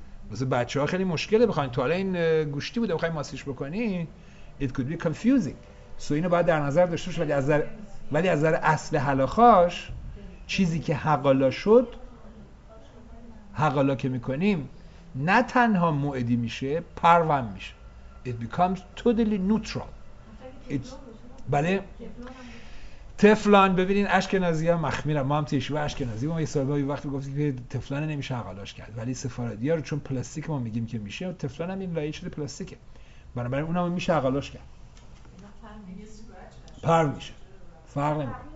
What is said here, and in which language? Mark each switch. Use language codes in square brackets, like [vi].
[fa] واسه بچه‌ها خیلی مشکله بخواین تو حالا این گوشتی بوده بخواین ماسیش بکنی، [en] it could be confusing. [fa] سو اینو باید در نظر داشته باشه. ولی از نظر اصل حلاخاش چیزی که حقالا شد، حقالا که میکنیم نه تنها موعدی میشه، پروم میشه. [en] it becomes totally neutral. [fa] بله تفلان ببینین اشکنازی ها مخمیرم، ما هم تیشو اشکنازی ما یه سال با یه وقت گفتیم که تفلان نمیشه حقالاش کرد، ولی سفارادی ها رو چون پلاستیک ما میگیم که میشه و تفلان هم این لایه شده پلاستیکه، بنابراین اون هم میشه حقالاش کرد، پر میشه، فرق نمیکنه.